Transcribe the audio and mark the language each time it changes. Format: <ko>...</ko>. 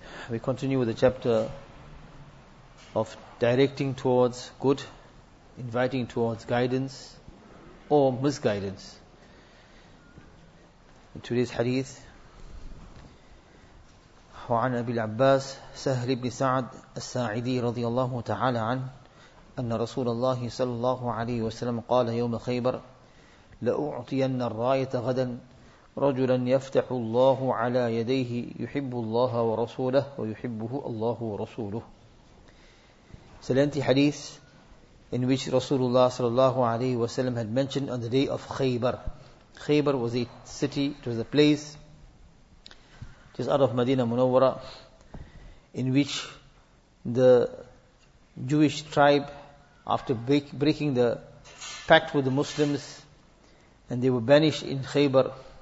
<en>We continue with the chapter of directing towards good, inviting towards guidance or misguidance. In today's hadith,</en> <ar>وعن أبي العباس سهل بن سعد الساعدي رضي الله تعالى عنه أن رسول الله صلى الله عليه وسلم قال يوم خيبر لأعطين الراية غدا رجلا يفتح الله على يديه يحب الله ورسوله ويحبه الله ورسوله.</ar> <en>سلنتي حديث in which Rasulullah صلى الله عليه وسلم had mentioned on the day of Khaybar. Khaybar was a city, it was a place just out of Madinah Munawwara in which the Jewish tribe, after breaking the pact with the Muslims, and they were banished in Khaybar,</en>